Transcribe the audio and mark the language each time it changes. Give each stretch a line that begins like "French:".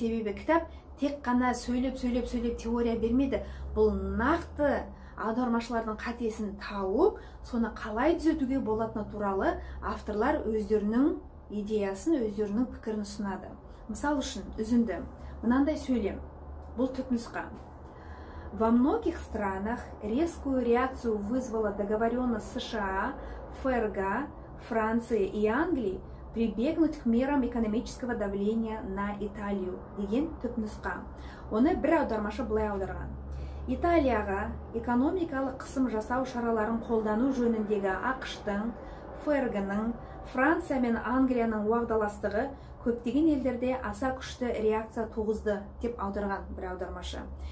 Kazakh: Себебі кітап тек қана сөйлеп теория бермейді. Бұл нақты аудармашылардың қатесін тауып, соны қалай түзетуге болатыны туралы авторлар өздерінің идеясын, өздерінің пікірін ұсынады. Мысал үшін үзінді мынандай сөйлем. Бұл түпнұсқа.
Russian: Во многих странах резкую реакцию вызвала договоренность США, ФРГ, Франции и Англии прибегнуть к мерам экономического давления на Италию.
Kazakh: Деген түпнұсқа. Оны бір аудармашы былай аударған. Италияға экономикалық қысым жасау шараларын қолдану жөніндегі ақыштың, ФРГ-нің, Франция мен Англияның уағдаластығы көптеген елдерде аса күшті реакция туғызды деп аударған бір аудармашы.